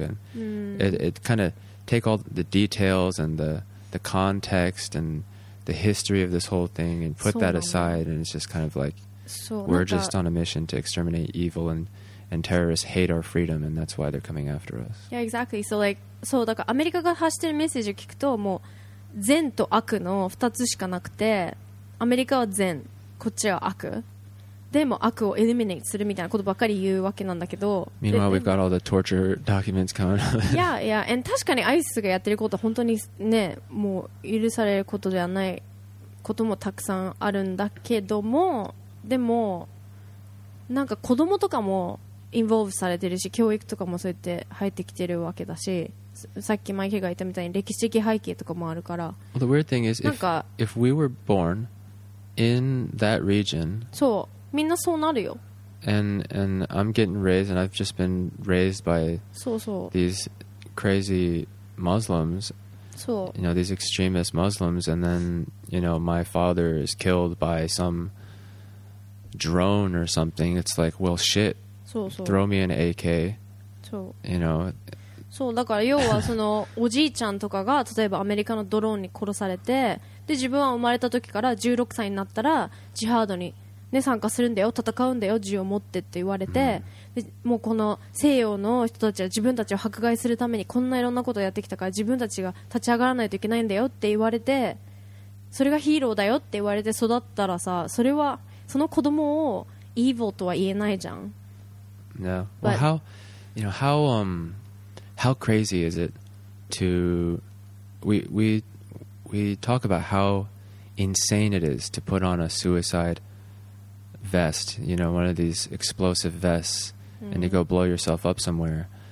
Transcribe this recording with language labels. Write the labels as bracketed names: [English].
[English] And it kind of take all the details and the context and the history of this whole thing and put that aside. And it's just kind of like, we're just on a mission to exterminate evil and terrorists hate our freedom, and that's why they're coming after us. Yeah, exactly. So, like, so, [Japanese] だからアメリカが発してるメッセージを聞くと、もう善と悪の2つしかなくて、アメリカは善、こっちは悪。でも悪をエリミネートするみたいなことばかり言うわけなんだけど。 [English] Meanwhile, we've got all the torture documents coming. Yeah, and [Japanese] 確かにISISがやってることは本当にね、もう許されることではないこともたくさんあるんだけども、でも、なんか子供とかも、インボーブされてるし、教育とかもそうやって入ってきてるわけだし、さっきマイケルが言ったみたいに歴史的背景とかもあるから。 [English] Well, the weird thing is, if we were born in that region, [Japanese] そう、みんなそうなるよ。 [English] And I'm getting raised, and I've just been raised by these crazy Muslims, you know, these extremist Muslims, and then, you know, my father is killed by some drone or something, it's like, well, shit. Throw me an AK. You know. [Japanese] そうだから要はそのおじいちゃんとかが例えばアメリカのドローンに殺されて、で自分は生まれた時から16歳になったらジハードに、ね、参加するんだよ、戦うんだよ、銃を持ってって言われて、でもうこの西洋の人たちは自分たちを迫害するためにこんないろんなことをやってきたから自分たちが立ち上がらないといけないんだよって言われて、それがヒーローだよって言われて育ったらさ、それはその子供をイーヴォーとは言えないじゃん。 [English] No. Well, how, you know, how crazy is it to, we talk about how insane it is to put on a suicide vest, you know, one of these explosive vests, and to go blow yourself up somewhere.